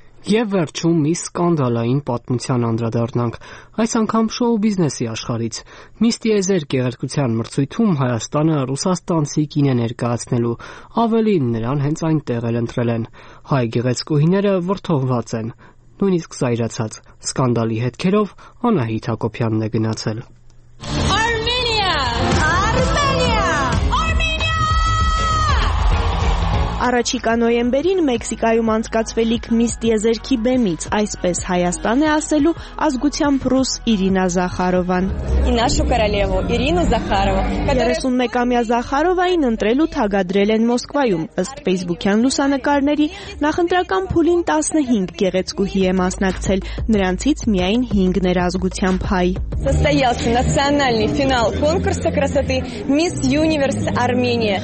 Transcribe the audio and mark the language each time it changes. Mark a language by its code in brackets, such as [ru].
[hy] Եվ վերջում մի սկանդալային պատմության անդրադառնանք, այս անգամ շոու բիզնեսի աշխարից։ Միստի Եզեր գեղարկության մրցույթում Հայաստանը ռուսաստանցի կինը ներկայացնելու, ավելին նրան հենց այնտեղ էլ ընտրել են։ Հայ գեղեցկուհիները վրդովված են, նույնիսկ զայրացած։ Սկանդալի հետքերով Անահիտ Հակոբյանն է գնացել։ Առաջիկա նոյեմբերին Մեքսիկայում անցկացվելիք Միստ Եզերքի բեմից, այսպես Հայաստան է ասելու ազգությամբ ռուս Իրինա Զախարովան։ [ru] И нашу королеву Ирину Захарову, которая [hy] 31-ամյա Զախարովային ընտրել ու թագադրել են Մոսկվայում, ըստ Facebook-յան լուսանկարների, նախընտրական փուլին 15 գեղեցկուհի է մասնակցել, նրանցից միայն 5-ն էր ազգությամբ հայ։ [ru] Состоялся национальный финал конкурса красоты Miss Universe Armenia.